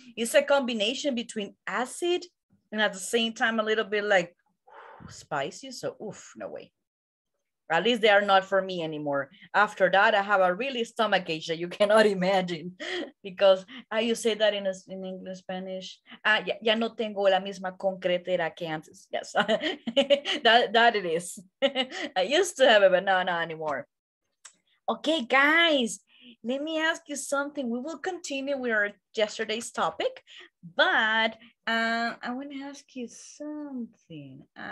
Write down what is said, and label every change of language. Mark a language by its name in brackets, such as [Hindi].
[English] It's a combination between acid and at the same time a little bit like spicy. So, oof, no way. At least they are not for me anymore. After that, I have a really stomach ache that you cannot imagine, because you say that in English, Spanish. [Spanish] Ya no tengo la misma concretera que antes. [English] Yes, that it is. I used to have it, but not anymore. Okay, guys, let me ask you something. We will continue with our yesterday's topic, but I want to ask you something.